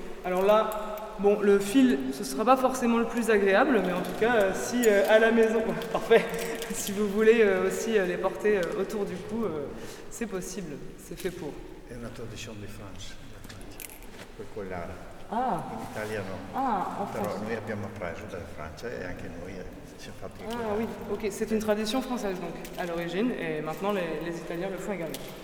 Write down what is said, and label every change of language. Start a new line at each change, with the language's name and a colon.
French: Alors là, bon, le fil, ce ne sera pas forcément le plus agréable, mais en tout cas, si à la maison, parfait, si vous voulez aussi les porter autour du cou, c'est possible, c'est fait pour. C'est une tradition de France, le collier. Ah.
Italian: In Italia no.
French: Ah, en France.
Italian: Però noi abbiamo preso dalla Francia e anche noi ci ha fatto.
French: Ah oui, ok, c'est une tradition française donc à l'origine, et maintenant les Italiens le font également.